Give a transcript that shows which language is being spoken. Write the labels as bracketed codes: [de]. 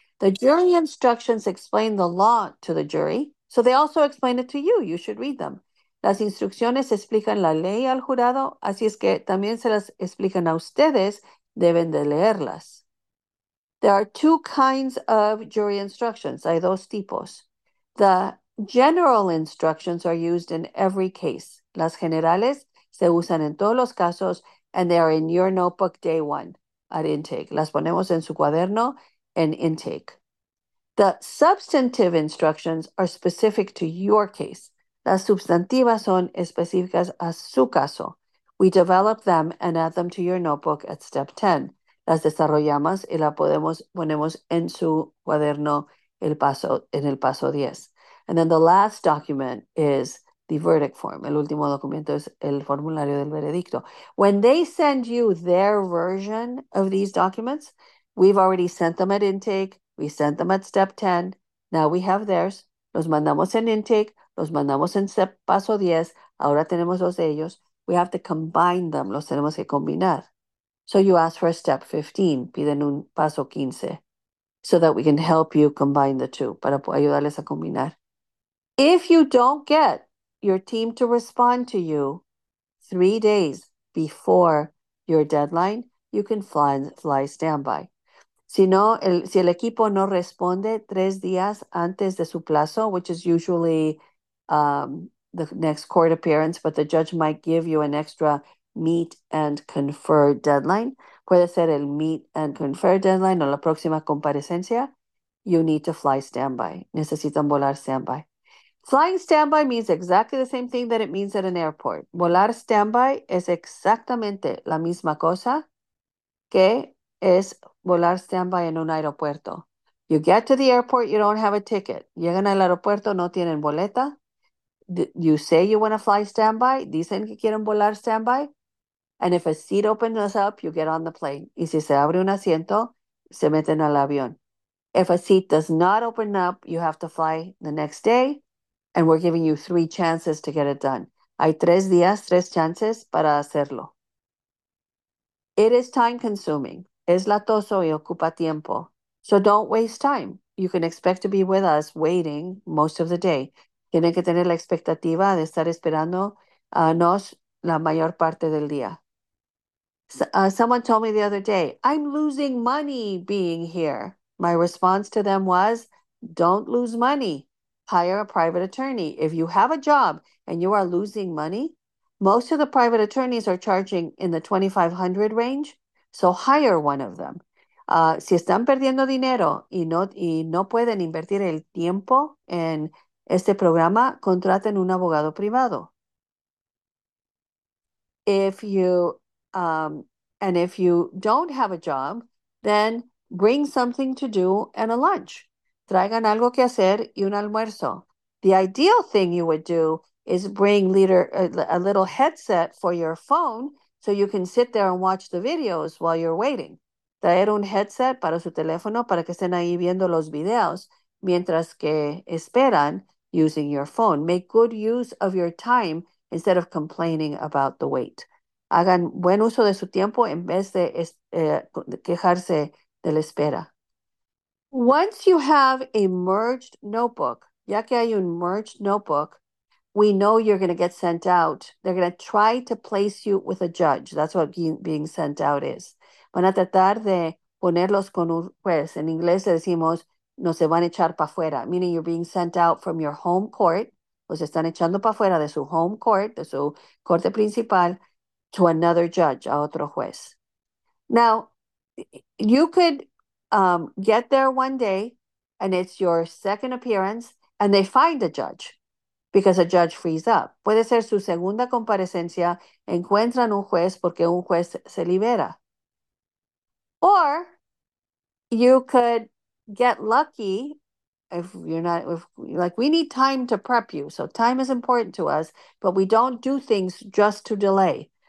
[en] The jury instructions explain the law to the jury, so they also explain it to you. You should read them. [es] Las instrucciones explican la ley al jurado, así es que también se las explican a ustedes, deben de leerlas. [en] There are two kinds of jury instructions, [es] hay dos tipos. [en] The general instructions are used in every case. [es] Las generales se usan en todos los casos, [en] and they are in your notebook day one at intake. [es] Las ponemos en su cuaderno en intake. [en] The substantive instructions are specific to your case. [es] Las sustantivas son específicas a su caso. [en] We develop them and add them to your notebook at step 10. [es] Las desarrollamos y la podemos ponemos en su cuaderno en el paso 10. [en] And then the last document is the verdict form. [es] El último documento es el formulario del veredicto. [en] When they send you their version of these documents, we've already sent them at intake. We sent them at step 10. Now we have theirs. [es] Los mandamos en intake. Los mandamos en step, paso 10. Ahora tenemos dos de ellos. [en] We have to combine them. [es] Los tenemos que combinar. [en] So you ask for a step 15. [es] Piden un paso 15 [en] so that we can help you combine the two, [es] para ayudarles a combinar. [en] If you don't get your team to respond to you 3 days before your deadline, you can fly standby. [es] Si no, si el equipo no responde 3 días antes de su plazo, [en] which is usually the next court appearance, but the judge might give you an extra meet and confer deadline. [es] Puede ser el meet and confer deadline o la próxima comparecencia. [en] You need to fly standby. [es] Necesitan volar standby. [en] Flying standby means exactly the same thing that it means at an airport. [es] Volar standby es exactamente la misma cosa que es volar standby en un aeropuerto. [en] You get to the airport, you don't have a ticket. [es] Llegan al aeropuerto, no tienen boleta. [en] You say you want to fly standby. [es] Dicen que quieren volar standby. [en] And if a seat opens up, you get on the plane. [es] Y si se abre un asiento, se meten al avión. [en] If a seat does not open up, you have to fly the next day. And we're giving you 3 chances to get it done. [es] Hay 3 días, 3 chances para hacerlo. [en] It is time consuming. [es] Es latoso y ocupa tiempo. [en] So don't waste time. You can expect to be with us waiting most of the day. [es] Tienen que tener la expectativa de estar esperando a nos la mayor parte del día. [en] Someone told me the other day, I'm losing money being here. My response to them was, don't lose money. Hire a private attorney. If you have a job and you are losing money, most of the private attorneys are charging in the 2500 range, so hire one of them. [es] Si están perdiendo dinero y no pueden invertir el tiempo en este programa, contraten un abogado privado. [en] And if you don't have a job, then bring something to do and a lunch. [es] Traigan algo que hacer y un almuerzo. [en] The ideal thing you would do is bring a little headset for your phone so you can sit there and watch the videos while you're waiting. [es] Traer un headset para su teléfono para que estén ahí viendo los videos mientras que esperan [en] using your phone. Make good use of your time instead of complaining about the wait. [es] Hagan buen uso de su tiempo en vez de quejarse de la espera. [en] Once you have a merged notebook, [es] ya que hay un merged notebook, [en] we know you're going to get sent out. They're going to try to place you with a judge. That's what being sent out is. [es] Van a tratar de ponerlos con un juez. En inglés decimos, no se van a echar para afuera, [en] meaning you're being sent out from your home court. [es] Los están echando para afuera de su home court, de su corte principal, [en] to another judge, [es] a otro juez. [en] Now, you could get there one day and it's your second appearance and they find a judge because a judge frees up. [es] Puede ser su segunda comparecencia, encuentran un juez porque un juez se libera. [en] Or you could get lucky if you're not, if, like, we need time to prep you. So time is important to us, but we don't do things just to delay.